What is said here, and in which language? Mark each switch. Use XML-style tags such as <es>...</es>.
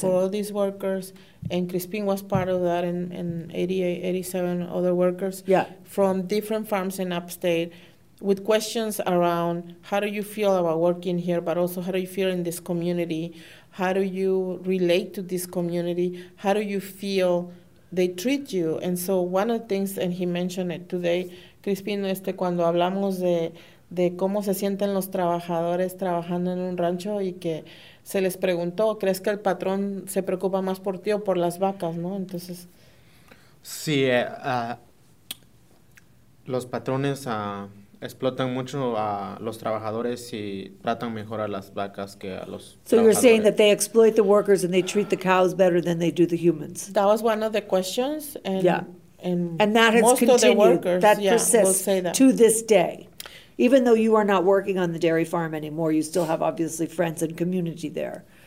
<en>For all these workers, and Crispin was part of that, and 88, 87 other workers from different farms in upstate, with questions around how do you feel about working here, but also how do you feel in this community? How do you relate to this community? How do you feel they treat you? And so one of the things, and he mentioned it today, Crispin,</en> <es>cuando hablamos de cómo se sienten los trabajadores trabajando en un rancho y que se les preguntó, ¿crees que el patrón se preocupa más por ti o por las vacas, no? Entonces. Sí, los patrones, explotan mucho a los trabajadores y tratan mejor a las vacas que a los trabajadores.</es> <en>So you're saying that they exploit the workers and they treat the cows better than they do the humans. That was one of the questions. And yeah. And that has most continued. Of the workers, that yeah, persists we'll say that. To this day. Even though you are not working on the dairy farm anymore, you still have obviously friends and community there.</en>